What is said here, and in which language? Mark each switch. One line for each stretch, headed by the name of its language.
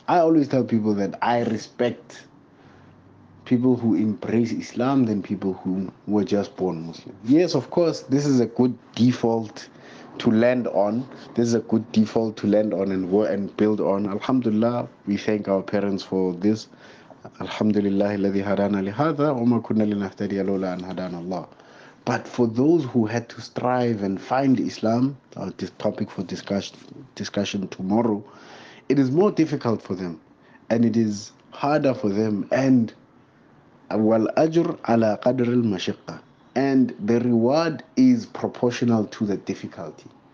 English: I always tell people that I respect people who embrace Islam than people who were just born Muslim. Yes, of course, this is a good default to land on. This is a good default to land on and work and build on. Alhamdulillah, we thank our parents for this.
Arabic: Alhamdulillah, الذي هدانا لهذا وما كنا لنهتدي لولا أن هدانا الله.
English: But for those who had to strive and find Islam, this topic for discussion tomorrow, it is more difficult for them, and it is harder for them. And
Arabic: والأجر على قدر المشقة,
English: and the reward is proportional to the difficulty.